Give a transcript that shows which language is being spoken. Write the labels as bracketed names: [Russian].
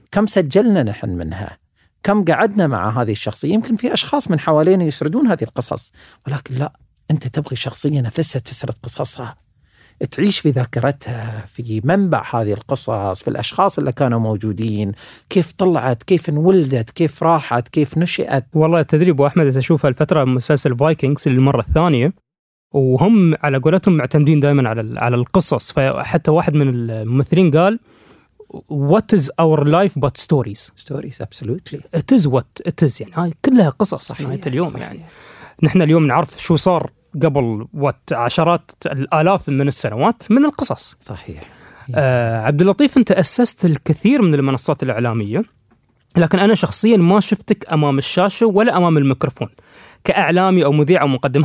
[Arabic] كم سجلنا نحن منها؟ كم قعدنا مع هذه الشخصية؟ يمكن في أشخاص من حوالينا يسردون هذه القصص، ولكن لا، أنت تبغي شخصية نفسها تسرد قصصها، تعيش في ذاكرتها، في منبع هذه القصص، في الأشخاص اللي كانوا موجودين، كيف طلعت، كيف انولدت، كيف راحت، كيف نشأت. والله تدريب أحمد أشوف الفترة مسلسل فايكنجز للمرة الثانية، وهم على قولتهم معتمدين دائما على القصص. فحتى واحد من الممثلين قال [English] What is our life but stories? Stories, absolutely. It is what it is. [Arabic] يعني هاي كلها قصص. صحيح. نهاية اليوم. صحيح. يعني نحن اليوم نعرف شو صار قبل عشرات الآلاف من السنوات من القصص. صحيح. عبد اللطيف، أنت أسست الكثير من المنصات الإعلامية، لكن أنا شخصيا ما شفتك أمام الشاشة ولا أمام الميكروفون كإعلامي أو مذيع أو مقدم.